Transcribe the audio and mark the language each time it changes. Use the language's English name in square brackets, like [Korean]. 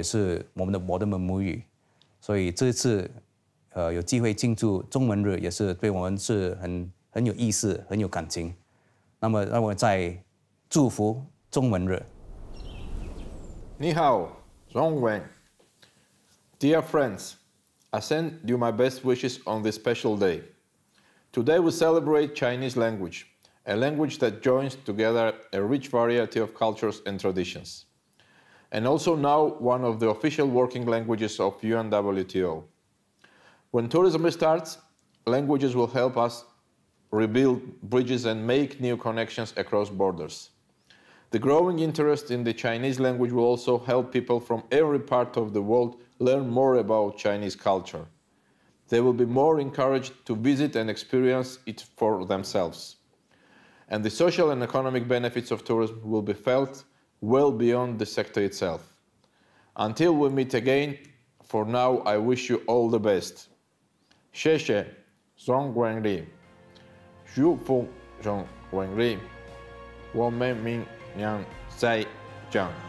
[Chinese] 在新加坡长大的时候，我们就从小学的中文，这是也是算是我们的祖先的语言，因为新加坡70%都是从中国移到南洋来的，所以中文对我也是我们的母语，所以这次。有机会庆祝中文日也是对我们是很有意思、很有感情。那么让我再祝福中文日。你好，中文 [English] ，Dear friends, I send you my best wishes on this special day. Today we celebrate Chinese language, a language that joins together a rich variety of cultures and traditions, and also now one of the official working languages of UNWTO. When tourism starts, languages will help us rebuild bridges and make new connections across borders. The growing interest in the Chinese language will also help people from every part of the world learn more about Chinese culture. They will be more encouraged to visit and experience it for themselves. And the social and economic benefits of tourism will be felt well beyond the sector itself. Until we meet again, for now, I wish you all the best. [Chinese] 谢谢，中文丽，祝福中文丽，我们明年再见。